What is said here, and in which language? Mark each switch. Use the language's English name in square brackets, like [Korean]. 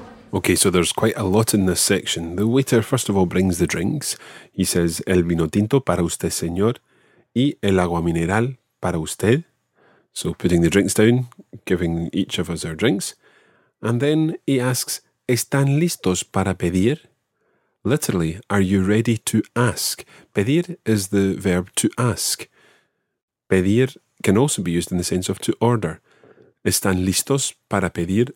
[English] Okay, so there's quite a lot in this section. The waiter first of all brings the drinks. He says, [Spanish] el vino tinto para usted, señor, y el agua mineral para usted. [English] So putting the drinks down, giving each of us our drinks. And then he asks, [Spanish] ¿están listos para pedir? [English] Literally, are you ready to ask? Pedir is the verb to ask. Pedir can also be used in the sense of to order. [Spanish] ¿Están listos para pedir?